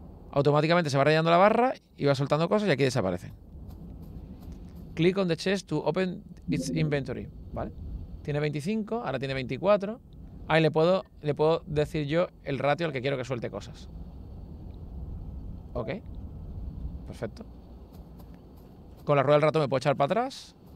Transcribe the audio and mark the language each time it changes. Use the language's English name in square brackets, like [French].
[Spanish] Automáticamente se va rellenando la barra y va soltando cosas y aquí desaparecen. [English] Click on the chest to open its inventory. [Spanish] Vale. Tiene 25, ahora tiene 24. Ahí le puedo decir yo el ratio al que quiero que suelte cosas. Ok. Perfecto. Con la rueda del rato me puedo echar para atrás.